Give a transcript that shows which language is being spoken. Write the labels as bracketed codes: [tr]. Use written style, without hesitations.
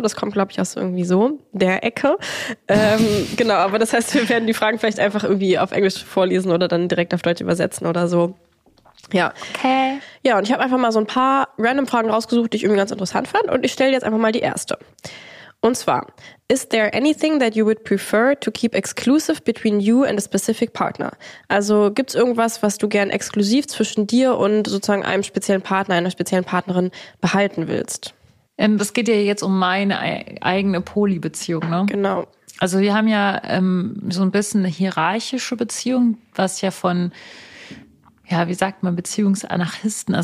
[de] Das kommt, glaube ich, aus irgendwie so der Ecke. genau, aber das heißt, wir werden die Fragen vielleicht einfach irgendwie auf Englisch vorlesen oder dann direkt auf Deutsch übersetzen oder so. Ja. Okay. Ja, und ich habe einfach mal so ein paar random Fragen rausgesucht, die ich irgendwie ganz interessant fand und ich stelle jetzt einfach mal die erste. Und zwar, [en] is there anything that you would prefer to keep exclusive between you and a specific partner? [de] Also gibt's irgendwas, was du gern exklusiv zwischen dir und sozusagen einem speziellen Partner, einer speziellen Partnerin behalten willst? Das geht ja jetzt um meine eigene Poly-Beziehung, ne? Genau. Also wir haben ja so ein bisschen eine hierarchische Beziehung, was ja von, ja, wie sagt man, Beziehungsanarchisten.